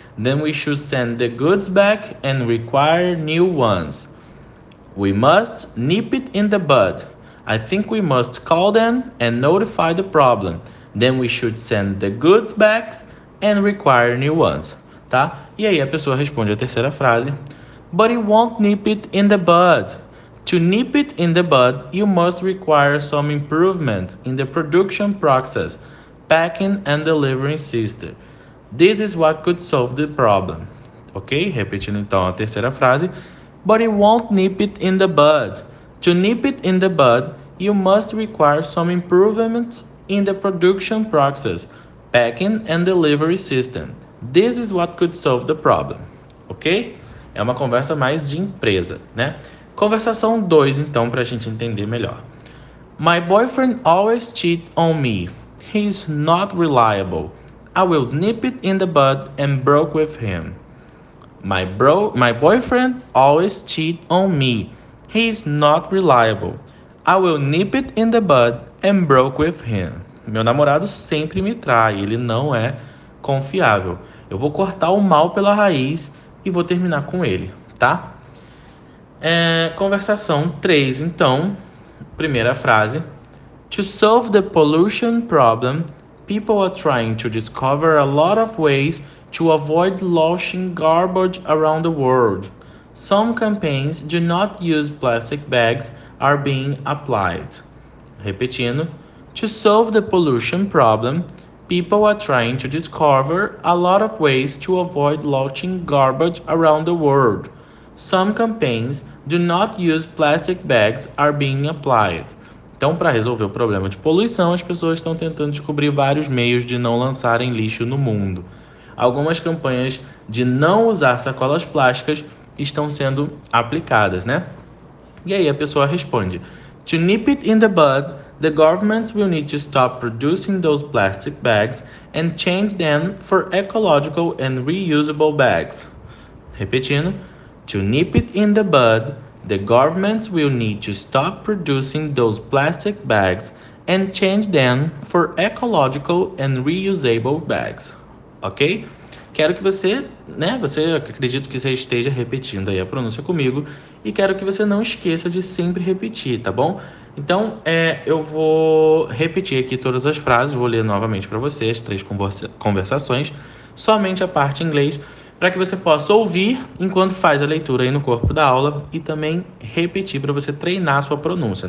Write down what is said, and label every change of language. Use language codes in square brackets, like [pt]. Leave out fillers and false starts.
[en] Then we should send the goods back and require new ones. We must nip it in the bud. I think we must call them and notify the problem. Then we should send the goods back and require new ones. [pt] Tá? E aí a pessoa responde a terceira frase. [en] But it won't nip it in the bud. To nip it in the bud, you must require some improvements in the production process, packing and delivery system. This is what could solve the problem. Ok? [pt] Repetindo então a terceira frase. [en] But it won't nip it in the bud. To nip it in the bud, you must require some improvements in the production process, packing and delivery system. This is what could solve the problem. Ok? [pt] É uma conversa mais de empresa, né? Conversação 2, então, para a gente entender melhor. [en] My boyfriend always cheats on me. He's not reliable. I will nip it in the bud and broke with him. My boyfriend always cheat on me. He's not reliable. I will nip it in the bud and broke with him. [pt] Meu namorado sempre me trai, ele não é confiável. Eu vou cortar o mal pela raiz e vou terminar com ele, tá? Conversação 3, então. Primeira frase. [en] To solve the pollution problem, people are trying to discover a lot of ways to avoid launching garbage around the world. Some campaigns do not use plastic bags are being applied. Repetindo, to solve the pollution problem, people are trying to discover a lot of ways to avoid launching garbage around the world. Some campaigns do not use plastic bags are being applied. [pt] Então, para resolver o problema de poluição, as pessoas estão tentando descobrir vários meios de não lançarem lixo no mundo. Algumas campanhas de não usar sacolas plásticas estão sendo aplicadas, né? E aí a pessoa responde: [en] To nip it in the bud, the government will need to stop producing those plastic bags and change them for ecological and reusable bags. Repetindo: To nip it in the bud, the government will need to stop producing those plastic bags and change them for ecological and reusable bags. [pt] Ok? Quero que você, né? Você, acredito que você esteja repetindo aí a pronúncia comigo. E quero que você não esqueça de sempre repetir, tá bom? Então, eu vou repetir aqui todas as frases. Vou ler novamente para você as três conversações. Somente a parte em inglês, para que você possa ouvir enquanto faz a leitura aí no corpo da aula e também repetir para você treinar a sua pronúncia.